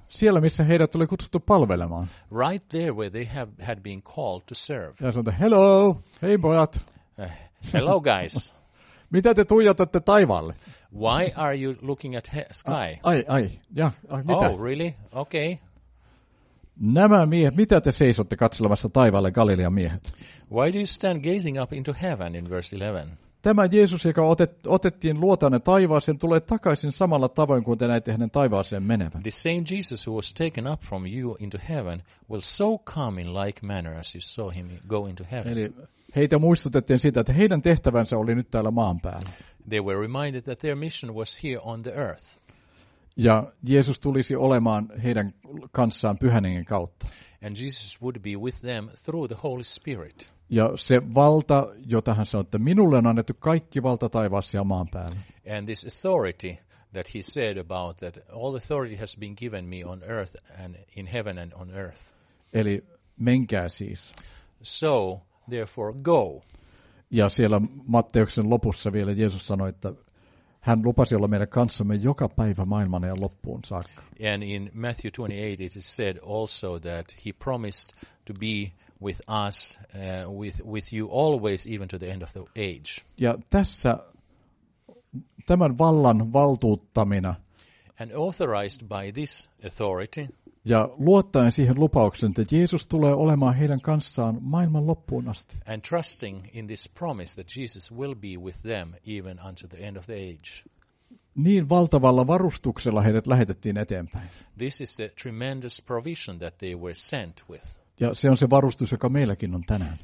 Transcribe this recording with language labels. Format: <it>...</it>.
<fi>Siellä missä heidät oli kutsuttu palvelemaan.</fi> <en>Right there where they had been called to serve.</en> <fi>Ja sanoi, hello, hei pojat.</fi> <en>Hello guys.</en> <fi>Mitä te tuijotatte taivaalle?</fi> <en>Why are you looking at sky?</en> <fi>Mitä?</fi> <en>Oh, really? Okay.</en> <fi>Nämä miehet, mitä te seisotte katselemassa taivaalle, Galilean miehet?</fi> <en>Why do you stand gazing up into heaven in verse 11?</en> <fi>Tämä Jeesus, joka otettiin luotanne taivaaseen, tulee takaisin samalla tavoin kuin te näitte hänen taivaaseen menevän.</fi> <en>The same Jesus who was taken up from you into heaven will so come in like manner as you saw him go into heaven.</en> <fi>Eli heitä muistutettiin siitä, että heidän tehtävänsä oli nyt täällä maan päällä.</fi> <en>They were reminded that their mission was here on the earth.</en> <fi>Ja Jeesus tulisi olemaan heidän kanssaan Pyhän Hengen kautta.</fi> <en>And Jesus would be with them through the Holy Spirit.</en> <fi>Ja se valta, jota hän sanoi, että minulle on annettu kaikki valta taivaassa ja maan päällä.</fi> <en>And this authority that he said about that all authority has been given me on earth and in heaven and on earth.</en> <fi>Eli menkää siis.</fi> <en>So therefore go.</en> <fi>Ja siellä Matteuksen lopussa vielä Jeesus sanoi, että hän lupasi olla meidän kanssamme joka päivä maailman ajan loppuun saakka.</fi> <en>And in Matthew 28 it is said also that he promised to be with us with you always even to the end of the age.</en> <fi>Ja tässä tämän vallan valtuuttamina.</fi> <en>And authorized by this authority.</en> <fi>Ja luottaen siihen lupaukseen, että Jeesus tulee olemaan heidän kanssaan maailman loppuun asti.</fi> <en>And trusting in this promise that Jesus will be with them even unto the end of the age.</en> <fi>Niin valtavalla varustuksella heidät lähetettiin eteenpäin.</fi> <en>This is the tremendous provision that they were sent with.</en> <fi>Ja se on se varustus, joka meilläkin on tänään.</fi>